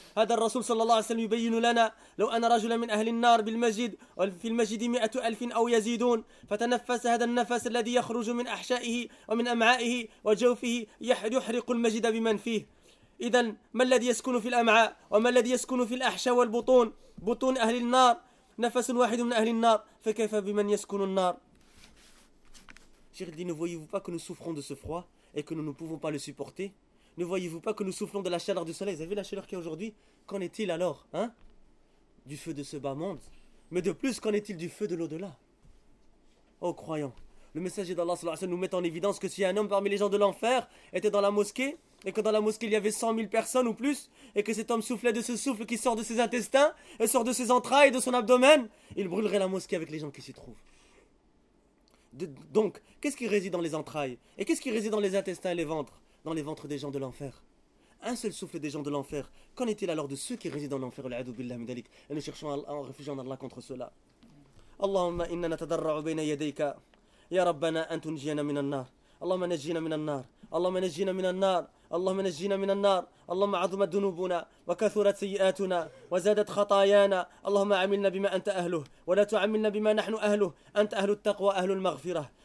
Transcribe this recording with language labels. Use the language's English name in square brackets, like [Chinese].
[Arabic] هذا الرسول صلى الله عليه وسلم يبين لنا: لو أنا رجل من أهل النار بالمسجد وفي المسجد 100,000 أو يزيدون فتنفس هذا النفس الذي يخرج من أحشائه ومن أمعائه وجوفه يحرق المسجد بمن فيه. إذن ما الذي يسكن في الأمعاء وما الذي يسكن في الأحشاء والبطون؟ بطون أهل النار، نفس واحد من أهل النار، فكيف بمن يسكن النار؟ [French] Cheikh dit: ne voyez-vous pas que nous souffrons de ce froid et que nous ne pouvons pas le supporter? Ne voyez-vous pas que nous soufflons de la chaleur du soleil? Vous avez vu la chaleur qu'il y a aujourd'hui? Qu'en est-il alors, hein, du feu de ce bas monde? Mais de plus, qu'en est-il du feu de l'au-delà? Oh croyant, le messager d'Allah sallallahu alayhi wa sallam nous met en évidence que si un homme parmi les gens de l'enfer était dans la mosquée, et que dans la mosquée il y avait 100,000 personnes ou plus, et que cet homme soufflait de ce souffle qui sort de ses intestins et sort de ses entrailles et de son abdomen, il brûlerait la mosquée avec les gens qui s'y trouvent. Donc, qu'est-ce qui réside dans les entrailles? Et qu'est-ce qui réside dans les intestins et les ventres? Dans les ventres des gens de l'enfer. Un seul souffle des gens de l'enfer. Qu'en est-il alors de ceux qui résident dans l'enfer? Et nous cherchons en réfugiant Allah contre cela. [Arabic] Allahumma inna natadarra'u bayna yadayka. Ya Rabbana antunjiyana minan nar. اللهم نجينا من النار، اللهم نجينا من النار، اللهم نجينا من النار. اللهم عظم ذنوبنا وكثرت سيئاتنا وزادت خطايانا، اللهم عاملنا بما أنت أهله ولا تعاملنا بما نحن أهله، أنت أهل التقوى أهل المغفرة.